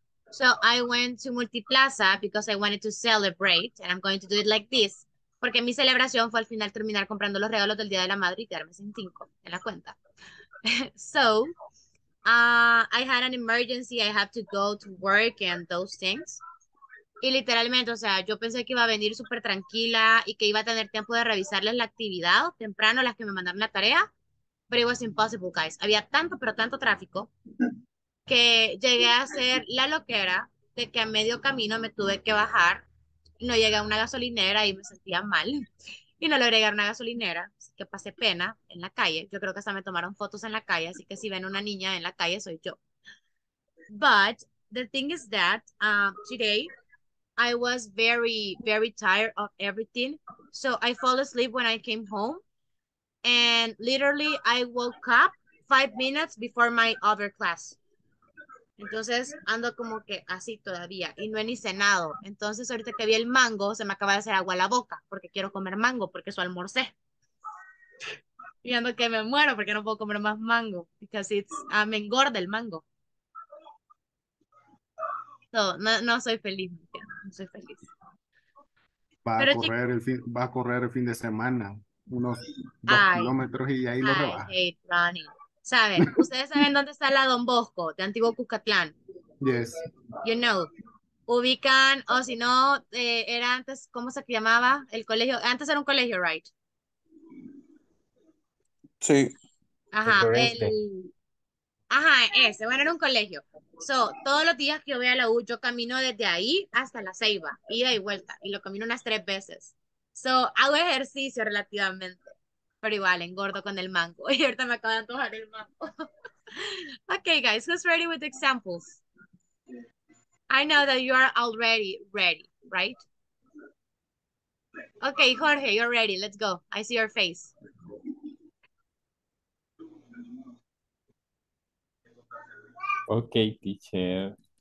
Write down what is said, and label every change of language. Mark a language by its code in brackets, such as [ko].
[en] So I went to Multiplaza because I wanted to celebrate, and I'm going to do it like this. [es] Porque mi celebración fue al final terminar comprando los regalos del Día de la Madre y quedarme sin cinco en la cuenta. [en] So, I had an emergency, I have to go to work and those things. [es] Y literalmente, o sea, yo pensé que iba a venir súper tranquila y que iba a tener tiempo de revisarles la actividad temprano, las que me mandaron la tarea. But it was impossible, guys. Había tanto, pero tanto tráfico que llegué a hacer la loquera de que a medio camino me tuve que bajar. No llegué a una gasolinera y me sentía mal. Y no logré llegar a una gasolinera, así que pasé pena en la calle. Yo creo que hasta me tomaron fotos en la calle, así que si ven una niña en la calle, soy yo. [en] But the thing is that today I was very, very tired of everything. So I fell asleep when I came home. And literally, I woke up 5 minutes before my other class. [es] Entonces, ando como que así todavía. Y no he ni cenado. Entonces, ahorita que vi el mango, se me acaba de hacer agua a la boca. Porque quiero comer mango, porque eso almorcé. Y ando que me muero, porque no puedo comer más mango. Because it's, me engorda el mango. So, no soy feliz. No soy feliz. Va a correr el fin de semana. Unos 2 kilómetros y ahí lo rebaja. ¿Saben? ¿Ustedes saben dónde está la Don Bosco de Antiguo Cuscatlán? [en] Yes. You know. [es] Ubican, o si no, era antes, ¿cómo se llamaba el colegio? Antes era un colegio, right? Sí. Ajá, ese. Bueno, era un colegio. So, todos los días que yo voy a la U, yo camino desde ahí hasta La Ceiba, ida y vuelta, y lo camino unas 3 veces. So, hago ejercicio relativamente, pero igual engordo con el mango. Y ahorita me acabo de antojar el mango. [en] Okay, guys, who's ready with examples? I know that you are already ready, right? Okay, Jorge, you're ready. Let's go. I see your face. Okay, teacher.